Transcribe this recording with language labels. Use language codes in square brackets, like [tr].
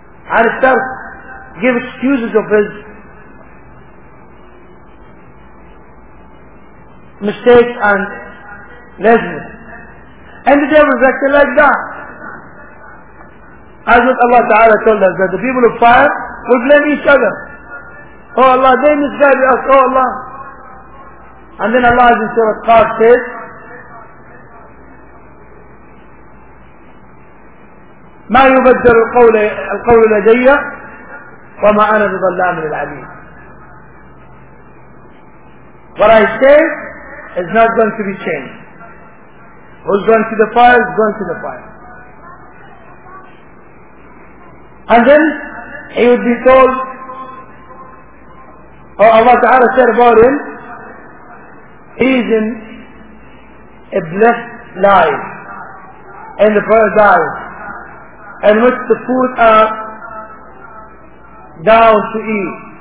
[en] And he starts give excuses of his mistakes and lessons. And the devil is acting like that. As what Allah Ta'ala told us, that the people of fire will blame each other. Oh Allah, they misguide us, oh Allah. And then Allah Azza wa Jalla says, [ar] مَا يُبَدَّلُ الْقَوْلُ لَدَيَّ وَمَا أَنَا بِضَلَّامٍ لِلْعَبِيدِ. [en] What I say is not going to be changed. Who's going to the fire is going to the fire. And then he would be told, or Allah Ta'ala said about him, he's in a blessed life in the paradise, in which the food are down to eat.